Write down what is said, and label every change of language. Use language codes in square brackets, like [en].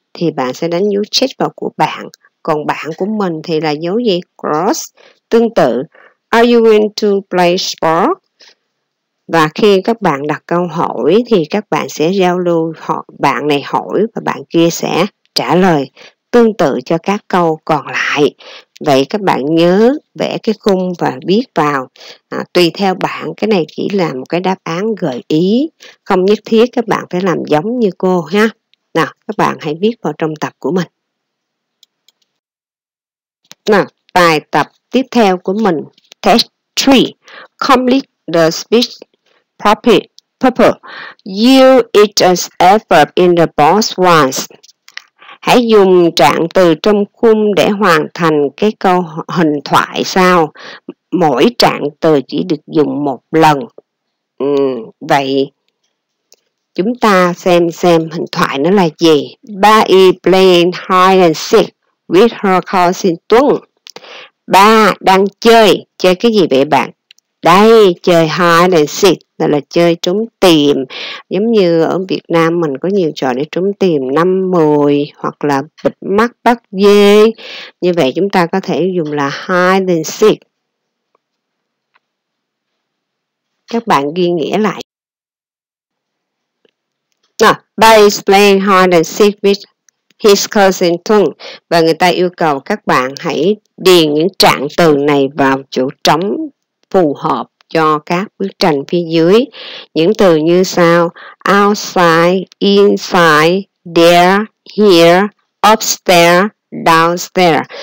[vi] Thì bạn sẽ đánh dấu check vào của bạn. Còn bạn của mình thì là dấu gì? [en] Cross. [vi] Tương tự, [en] are you going to play sport? [vi] Và khi các bạn đặt câu hỏi thì các bạn sẽ giao lưu, bạn này hỏi và bạn kia sẽ trả lời. Tương tự cho các câu còn lại. Vậy các bạn nhớ vẽ cái khung và viết vào. Tùy theo bạn, cái này chỉ là một cái đáp án gợi ý. Không nhất thiết các bạn phải làm giống như cô ha. Nào, các bạn hãy viết vào trong tập của mình. Nào, bài tập tiếp theo của mình. [en] Test 3. Complete the speech proper. You eat as ever in the boss once. [vi] Hãy dùng trạng từ trong khung để hoàn thành cái câu hình thoại sau. Mỗi trạng từ chỉ được dùng một lần. Vậy chúng ta xem hình thoại nó là gì. [en] Ba is playing hide and seek with her cousin Tuấn. [vi] Ba đang chơi cái gì vậy bạn? Đây, chơi hide and seek là chơi trốn tìm. Giống như ở Việt Nam mình có nhiều trò để trốn tìm, năm mười hoặc là bịt mắt bắt dê. Như vậy chúng ta có thể dùng là hide and seek. Các bạn ghi nghĩa lại. [en] Ba is playing hide and seek with his cousin Tung. [vi] Và người ta yêu cầu các bạn hãy điền những trạng từ này vào chỗ trống phù hợp cho các bức tranh phía dưới. Những từ như sau: [en] outside, inside, there, here, upstairs, downstairs.